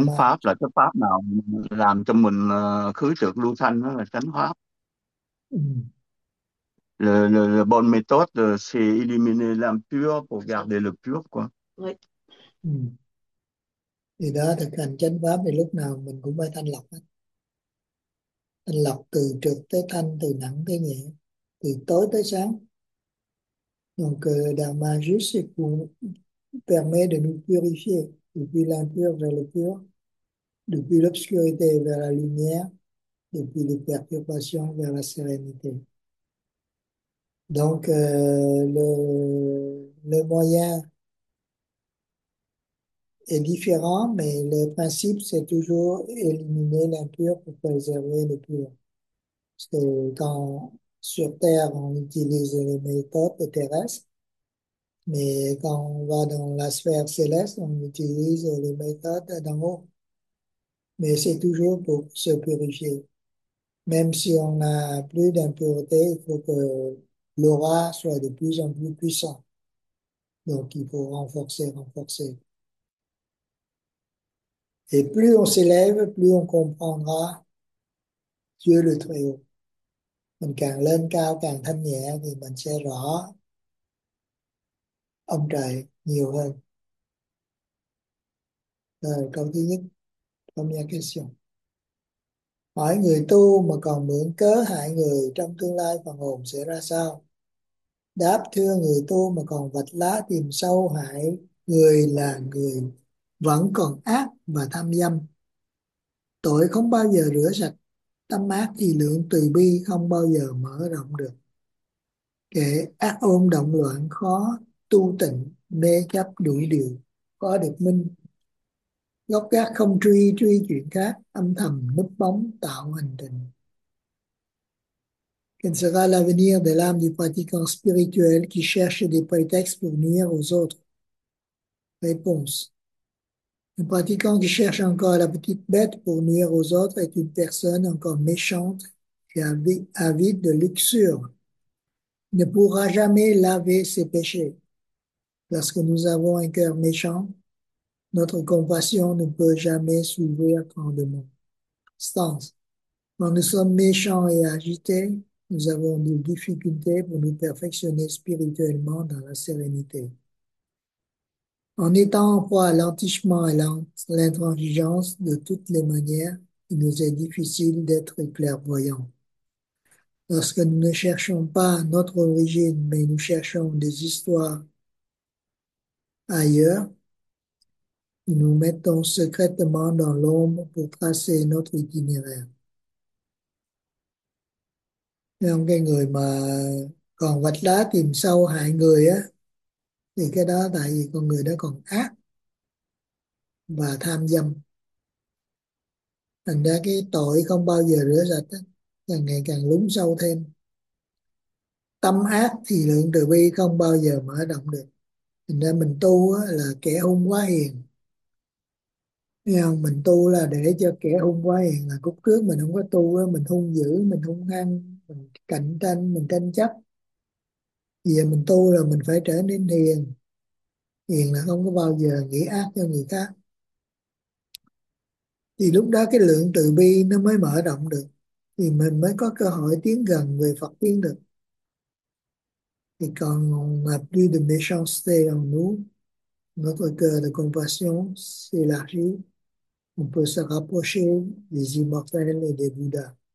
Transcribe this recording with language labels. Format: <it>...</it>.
<vi>pháp là cái pháp nào làm cho mình khứ trược lưu thanh, đó là chánh pháp.</vi> <pi>Dhamma.</pi> <fr>Le bonne méthode, c'est éliminer l'impur pour garder le pur, quoi. Oui.</fr> <vi>Thì đó thực hành chánh pháp thì lúc nào mình cũng phải thanh lọc hết. Thanh lọc từ trực tới thanh, từ nặng tới nhẹ, từ tối tới sáng.</vi> <fr>Donc Dhamma Jussi</fr> <vi>cũng</vi> <fr>permet de nous purifier depuis l'impur vers le pur, depuis l'obscurité vers la lumière, depuis les perturbations vers la sérénité. Donc, le moyen est différent, mais le principe, c'est toujours éliminer l'impur pour préserver le pur. Parce que quand, sur Terre, on utilise les méthodes terrestres, mais quand on va dans la sphère céleste, on utilise les méthodes d'en haut. Mais c'est toujours pour se purifier. Même si on n'a plus d'impureté, il faut que l'aura soit de plus en plus puissant. Donc, il faut renforcer, renforcer. Et plus on s'élève, plus on comprendra Dieu le Très-Haut.</fr> <vi>Mình càng lên cao, càng thanh nhẹ thì mình sẽ rõ ông trời nhiều hơn. Rồi, câu thứ nhất, câu nhà</vi> <fr>question.</fr> <vi>Hỏi người tu mà còn mượn cớ hại người trong tương lai phần hồn sẽ ra sao? Đáp thưa người tu mà còn vạch lá tìm sâu hại người là người vẫn còn ác và tham dâm. Tội không bao giờ rửa sạch, tâm ác thì lượng từ bi không bao giờ mở rộng được. Kẻ ác ôn động loạn khó tu tịnh, mê chấp đủ điều khó được minh. Gốc gác không truy truy chuyện khác, âm thầm núp bóng tạo hành trình.</vi> <fr>Quel sera l'avenir de l'âme du pratiquant spirituel qui cherche des prétextes pour nuire aux autres? Réponse. Un pratiquant qui cherche encore la petite bête pour nuire aux autres est une personne encore méchante et avide de luxure. Il ne pourra jamais laver ses péchés. Lorsque nous avons un cœur méchant, notre compassion ne peut jamais s'ouvrir grandement. Stance. Quand nous sommes méchants et agités, nous avons des difficultés pour nous perfectionner spirituellement dans la sérénité. En étant en proie à l'entichement et l'intransigeance de toutes les manières, il nous est difficile d'être clairvoyants. Lorsque nous ne cherchons pas notre origine, mais nous cherchons des histoires ailleurs, nous nous mettons secrètement dans l'ombre pour tracer notre itinéraire.</fr> <vi>Nên cái người mà còn vạch lá tìm sâu hại người á, thì cái đó tại vì con người đó còn ác và tham dâm. Thành ra cái tội không bao giờ rửa sạch á, càng ngày càng lún sâu thêm. Tâm ác thì lượng từ bi không bao giờ mở rộng được. Thành ra mình tu á, là kẻ hung quá hiền. Nghe không? Mình tu là để cho kẻ hung quá hiền, là lúc trước mình không có tu á, mình hung dữ, mình hung hăng, mình cạnh tranh, mình tranh chấp. Bây giờ mình tu là mình phải trở nên hiền. Hiền là không có bao giờ nghĩ ác cho người khác. Thì lúc đó cái lượng từ bi nó mới mở rộng được. Thì mình mới có cơ hội tiến gần về Phật tiến được. Thì còn mà</vi> <fr>plus de méchanceté en nous, notre cœur de compassion s'élargit, On peut se rapprocher des immortels et des Bouddhas.</fr>